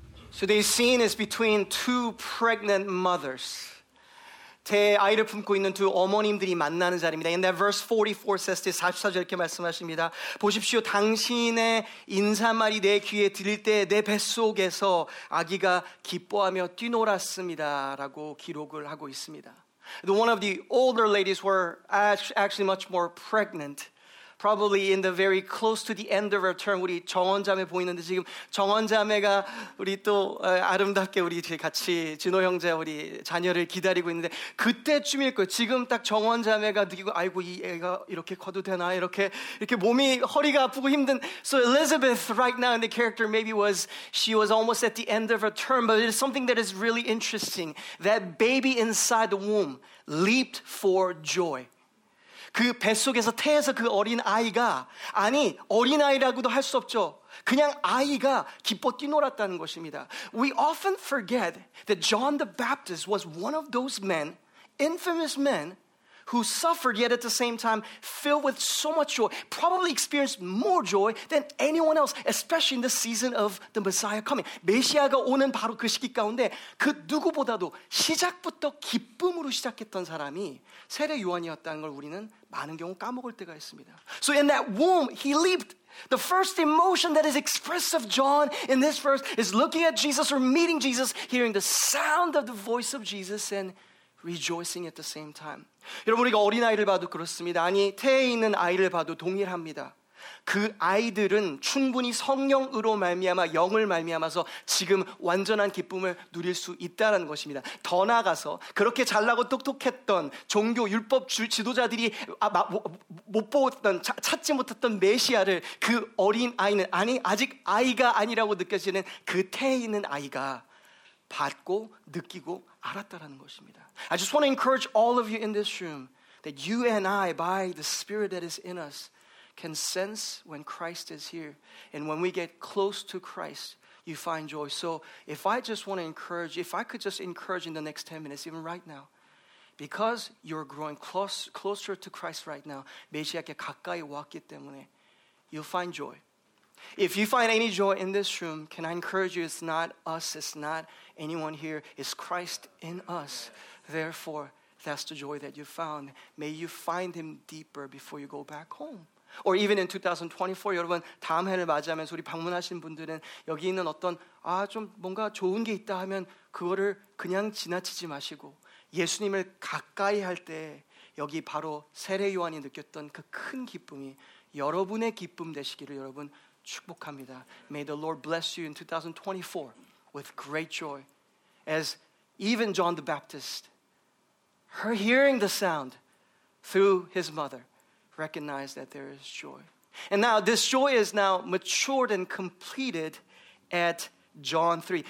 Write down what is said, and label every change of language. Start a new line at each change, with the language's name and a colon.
English: So the scene is between two pregnant mothers.
Korean: 제 아이를 품고 있는 두 어머님들이 만나는 자리입니다.
English: And then verse 44 says this,
Korean: 44절 이렇게 말씀하십니다. 보십시오, 당신의 인사말이 내 귀에 들릴 때 내 뱃속에서 아기가 기뻐하며 뛰놀았습니다. 라고 기록을 하고 있습니다.
English: The one of the older ladies were actually much more pregnant. Probably in the very close to the end of her term,
Korean: 우리 정원자매 보이는데 지금 정원자매가 우리 또 아름답게 우리 같이 진호 형제 우리 자녀를 기다리고 있는데 그때쯤일 거예요. 지금 딱 정원자매가 느끼고 아이고 이 애가 이렇게 커도 되나 이렇게 이렇게 몸이 허리가 아프고 힘든.
English: So Elizabeth right now in the character maybe was she was almost at the end of her term, but it's something that is really interesting. That baby inside the womb leaped for joy.
Korean: 그 뱃속에서 태에서 그 어린 아이가 아니 어린 아이라고도 할 수 없죠. 그냥 아이가 기뻐 뛰놀았다는 것입니다.
English: We often forget that John the Baptist was one of those men, infamous men, who suffered yet at the same time filled with so much joy, probably experienced more joy than anyone else, especially in the season of the Messiah coming.
Korean: 메시아가 오는 바로 그 시기 가운데 그 누구보다도 시작부터 기쁨으로 시작했던 사람이 세례 요한이었다는 걸 우리는 많은 경우 까먹을 때가 있습니다.
English: So in that womb, he leaped. The first emotion that is expressed of John in this verse is looking at Jesus or meeting Jesus, hearing the sound of the voice of Jesus and rejoicing at the same time.
Korean: 여러분 우리가 어린아이를 봐도 그렇습니다. 아니 태에 있는 아이를 봐도 동일합니다. 그 아이들은 충분히 성령으로 말미암아 영을 말미암아서 지금 완전한 기쁨을 누릴 수 있다는 것입니다. 더 나아가서 그렇게 잘나고 똑똑했던 종교 율법 지도자들이 못 보았던 찾지 못했던 메시아를 그 어린아이는 아니 아직 아이가 아니라고 느껴지는 그 태에 있는 아이가 받고 느끼고 알았다라는 것입니다.
English: I just want to encourage all of you in this room that you and I, by the Spirit that is in us, can sense when Christ is here. And when we get close to Christ, you find joy. So if I just want to encourage, if I could just encourage in the next 10 minutes, even right now, because you're growing closer to Christ right now,
Korean: 메시아께 가까이 왔기 때문에,
English: you'll find joy. If you find any joy in this room, can I encourage you, it's not us, it's not anyone here, it's Christ in us. Therefore, that's the joy that you found. May you find him deeper before you go back home. Or even in 2024,
Korean: 여러분, 다음 해를 맞이하면서 우리 방문하신 분들은 여기 있는 어떤 아, 좀 뭔가 좋은 게 있다 하면 그거를 그냥 지나치지 마시고 예수님을 가까이 할 때 여기 바로 세례 요한이 느꼈던 그 큰 기쁨이 여러분의 기쁨 되시기를 여러분 축복합니다.
English: May the Lord bless you in 2024 with great joy as even John the Baptist, her hearing the sound through his mother, recognized that there is joy. And now this joy is now matured and completed at John 3.